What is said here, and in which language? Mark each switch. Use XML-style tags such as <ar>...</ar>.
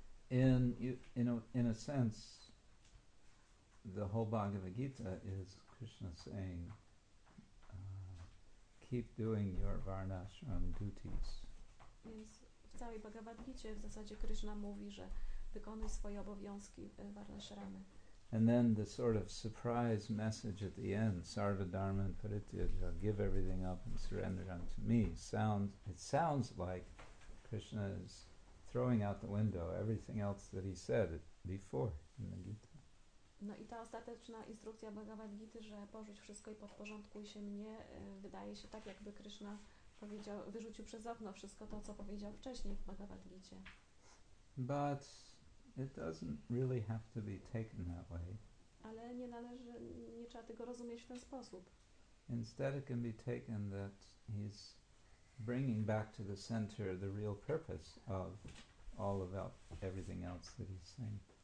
<en>In a sense, the whole Bhagavad Gita is Krishna saying, keep doing your varnashram duties.</en> <pl>Więc w całej Bhagavad Gita w zasadzie Krishna mówi, że wykonuj swoje obowiązki varnashramy.</pl> <en>And then the sort of surprise message at the end,</en> <sa>sarva dharma parityaja,</sa> <en>give everything up and surrender unto me, sounds like Krishna is throwing out the window everything else that he said before in the Gita.</en> <pl>No i ta ostateczna instrukcja Bhagavad Gita, że porzuć wszystko i podporządkuj się mnie, wydaje się tak, jakby Krishna powiedział, wyrzucił przez okno wszystko to, co powiedział wcześniej w Bhagavad Gita.</pl> <en>But it doesn't really have to be taken that way.</en> <pl>Ale nie należy, nie trzeba tego rozumieć w ten sposób.</pl> <en>Instead it can be taken that he's bringing back to the center the real purpose of all about everything else that he's saying.</en>